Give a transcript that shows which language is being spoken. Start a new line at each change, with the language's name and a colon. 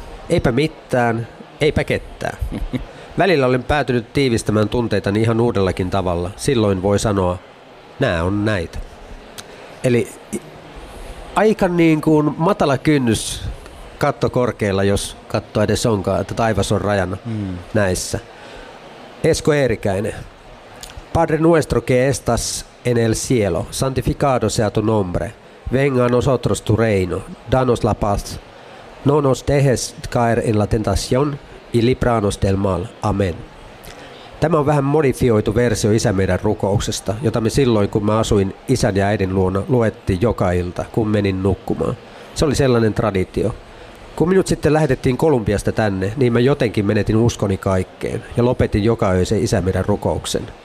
Finnish: Eipä mitään, eipä kettään. Välillä olen päätynyt tiivistämään tunteitani ihan uudellakin tavalla. Silloin voi sanoa, nää on näitä. Eli aika niin kuin matala kynnys katto korkealla, jos katto edes onkaan, että taivas on rajana näissä. Esko Eerikäinen.
Spanish: Padre nuestro que estas en el cielo, santificado sea tu nombre, venga a nosotros tu reino, danos la paz. No nos dejes caer en la tentación y libranos del mal. Amen.
Finnish: Tämä on vähän modifioitu versio Isä meidän -rukouksesta, jota me silloin, kun mä asuin isän ja äidin luona, luettiin joka ilta, kun menin nukkumaan. Se oli sellainen traditio. Kun minut sitten lähetettiin Kolumbiasta tänne, niin mä jotenkin menetin uskoni kaikkeen ja lopetin joka yö sen Isä meidän -rukouksen.